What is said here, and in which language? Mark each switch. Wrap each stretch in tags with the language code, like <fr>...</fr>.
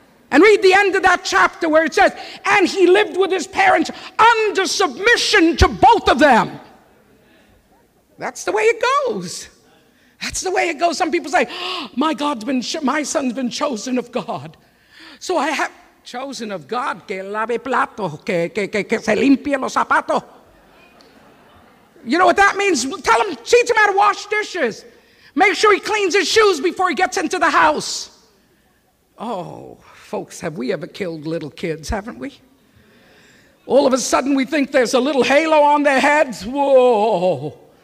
<en>And read the end of that chapter where it says, and he lived with his parents under submission to both of them. That's the way it goes. That's the way it goes. Some people say, my son's been chosen of God. So I have chosen of God.</en> <es>Que lave plato, que se limpie los zapatos.</es> <en>You know what that means? Tell him, teach him how to wash dishes. Make sure he cleans his shoes before he gets into the house. Oh, folks, have we ever killed little kids, haven't we? All of a sudden, we think there's a little halo on their heads. Whoa.</en>